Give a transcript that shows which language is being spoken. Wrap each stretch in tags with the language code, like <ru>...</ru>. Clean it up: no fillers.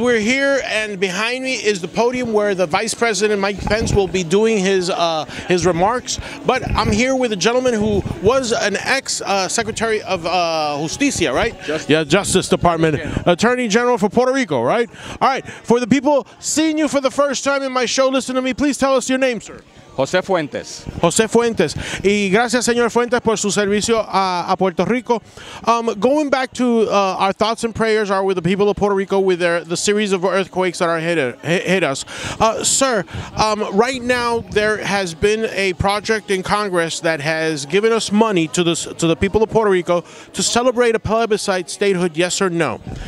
<en>We're here, and behind me is the podium where the Vice President Mike Pence will be doing his remarks. But I'm here with a gentleman who was an ex Secretary of Justicia, right? Justice Department, okay. Attorney General for Puerto Rico, right? All right. For the people seeing you for the first time in my show, listen to me. Please tell us your name, sir. José Fuentes. José Fuentes.</en> <es>Y gracias, señor Fuentes, por su servicio a Puerto Rico.</es> <en>Going back to our thoughts and prayers are with the people of Puerto Rico with the series of earthquakes that are hit us. Sir, right now there has been a project in Congress that has given us money to the people of Puerto Rico to celebrate a plebiscite statehood, yes or no?</en>